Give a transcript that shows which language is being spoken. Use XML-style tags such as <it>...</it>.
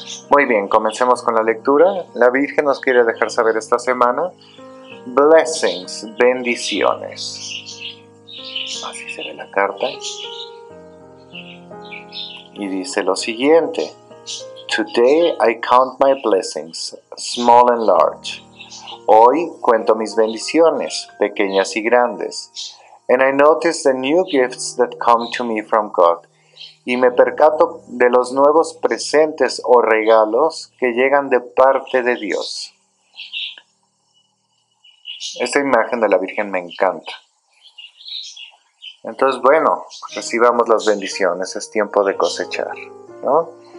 <es>Muy bien, comencemos con la lectura. La Virgen nos quiere dejar saber esta semana:</es> <en>blessings,</en> <es>bendiciones. Así se ve la carta. Y dice lo siguiente:</es> <en>today I count my blessings, small and large.</en> <es>Hoy cuento mis bendiciones, pequeñas y grandes.</es> <en>And I notice the new gifts that come to me from God.</en> <es>Y me percato de los nuevos presentes o regalos que llegan de parte de Dios. Esta imagen de la Virgen me encanta. Entonces, bueno, recibamos las bendiciones, es tiempo de cosechar, ¿no?</es>